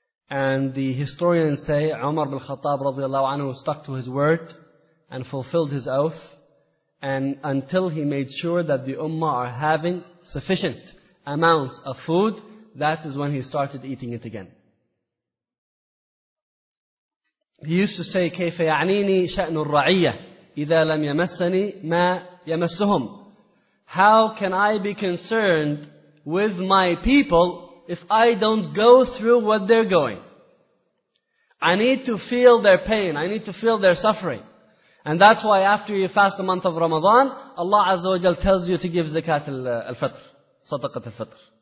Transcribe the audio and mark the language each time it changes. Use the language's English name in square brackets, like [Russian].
[English] And the historians say Umar ibn al-Khattab radiallahu anhu stuck to his word and fulfilled his oath, and until he made sure that the ummah are having sufficient amounts of food, that is when he started eating it again. He used to say, [Arabic] كَيْفَ يَعْنِينِي شَأْنُ الرَّعِيَّةِ إِذَا لَمْ يَمَسَّنِي مَا يَمَسُّهُمْ. [English] How can I be concerned with my people if I don't go through what they're going? I need to feel their pain, I need to feel their suffering. And that's why after you fast the month of Ramadan, Allah Azza wa Jalla tells you to give zakat al-fitr. Sadaqat al-fitr.